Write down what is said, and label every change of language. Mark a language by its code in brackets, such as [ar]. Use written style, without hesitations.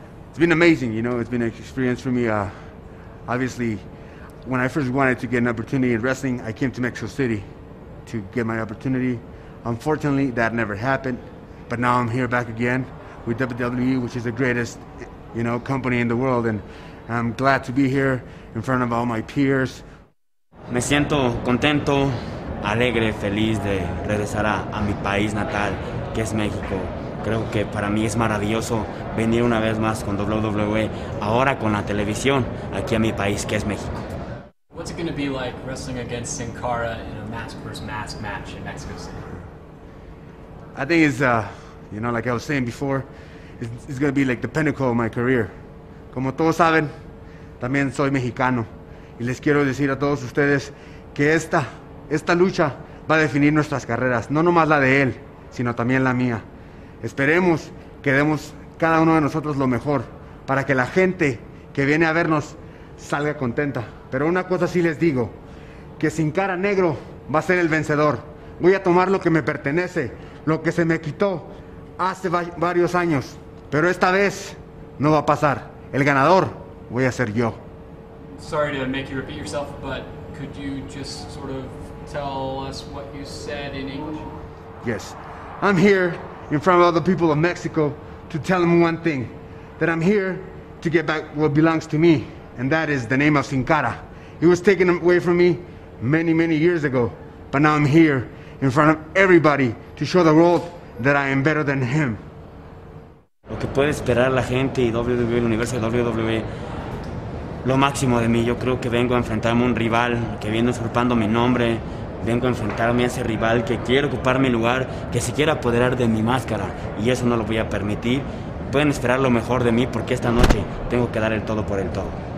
[en] It's been amazing, you know, it's been an experience for me. Obviously, when I first wanted to get an opportunity in wrestling, I came to Mexico City to get my opportunity. Unfortunately, that never happened. But now I'm here back again with WWE, which is the greatest, you know, company in the world. And I'm glad to be here in front of all my peers. [es] Me siento contento, alegre, feliz de regresar a mi país natal, que es México. Creo que para mí es maravilloso venir una vez más con WWE, ahora con la televisión, aquí a mi país, que es México. [en] What's it going to be like wrestling against Sin Cara in a mask versus mask match in Mexico City? I think it's, you know, like I was saying before, it's going to be like the pinnacle of my career. [es] Como todos saben, también soy mexicano. Y les quiero decir a todos ustedes que esta lucha va a definir nuestras carreras. No nomás la de él, sino también la mía. Esperemos que demos cada uno de nosotros lo mejor para que la gente que viene a vernos salga contenta. Pero una cosa sí les digo, que Sin Cara Negro va a ser el vencedor. Voy a tomar lo que me pertenece, lo que se me quitó hace varios años. Pero esta vez no va a pasar. El ganador voy a ser yo. [en] Sorry to make you repeat yourself, but could you just sort of tell us what you said in English? Yes. I'm here in front of all the people of Mexico to tell them one thing, that I'm here to get back what belongs to me, and that is the name of Sin Cara. It was taken away from me many, many years ago, but now I'm here in front of everybody to show the world that I am better than him. [es] Lo que puede esperar la gente y WWE, el universo de WWE, lo máximo de mí. Yo creo que vengo a enfrentarme a un rival que viene usurpando mi nombre. Vengo a enfrentarme a ese rival que quiere ocupar mi lugar, que se quiere apoderar de mi máscara. Y eso no lo voy a permitir. Pueden esperar lo mejor de mí porque esta noche tengo que dar el todo por el todo.